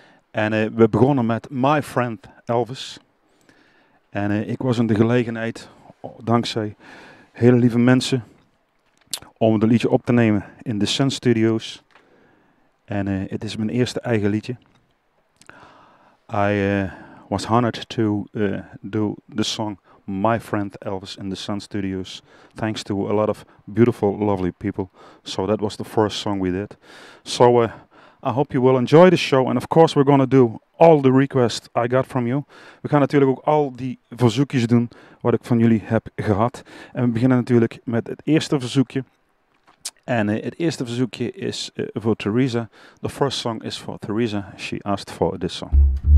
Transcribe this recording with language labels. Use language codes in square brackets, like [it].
[nl] En we begonnen met My Friend Elvis. En ik was in de gelegenheid, dankzij hele lieve mensen, om het liedje op te nemen in de Sun Studios. En het is mijn eerste eigen liedje. [en] I was honored to do the song My Friend Elvis in the Sun Studios, thanks to a lot of beautiful, lovely people. So that was the first song we did. So I hope you will enjoy the show. And of course we're going to do all the requests I got from you. [nl] We gaan natuurlijk ook al die verzoekjes doen wat ik van jullie heb gehad. En we beginnen natuurlijk met het eerste verzoekje. En het eerste verzoekje is voor Theresa. [en] The first song is for Theresa. She asked for this song.